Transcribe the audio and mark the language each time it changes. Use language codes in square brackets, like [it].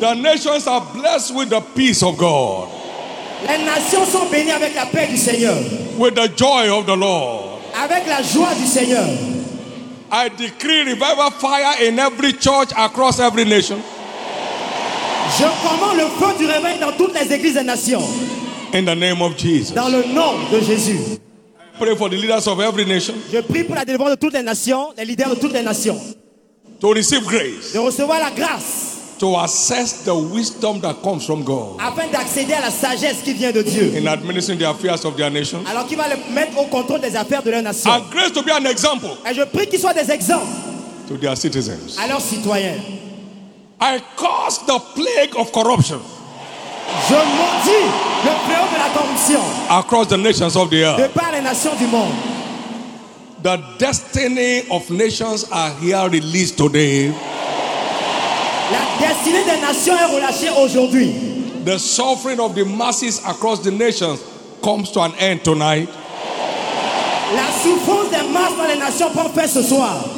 [en] The nations are blessed with the peace of God. [fr] Les nations sont bénies avec la paix du Seigneur. [en] With the joy of the Lord. [fr] Avec la joie du Seigneur. [en] I decree revival fire in every church across every nation. [fr] Je commande le feu du réveil dans toutes les églises des nations. [en] In the name of Jesus. [fr] Dans le nom de Jésus. [en] Pray for the leaders of every nation. [fr] Je prie pour la délivrance de toutes les nations, les leaders de toutes les nations. [en] To receive grace. [fr] De recevoir la grâce. [en] To assess the wisdom that comes from God. [fr] Afin d'accéder à la sagesse qui vient de Dieu. [en] In administering the affairs of their nation. [fr] Alors qu'il va les mettre au contrôle des affaires de leur nation. [en] And grace to be an example. [fr] Et je prie qu'ils soient des exemples. [en] To their citizens. [fr] À leurs citoyens. [en] I curse the plague of corruption. [fr] Je maudis le fléau de la corruption. [en] Across the nations of the earth. [fr] De par les nations du monde. [en] The destiny of nations are here released today. [fr] La destinée des nations est relâchée aujourd'hui. [en] The suffering of the masses across the nations comes to an end tonight. [fr] La souffrance des masses dans les nations prend fin ce soir.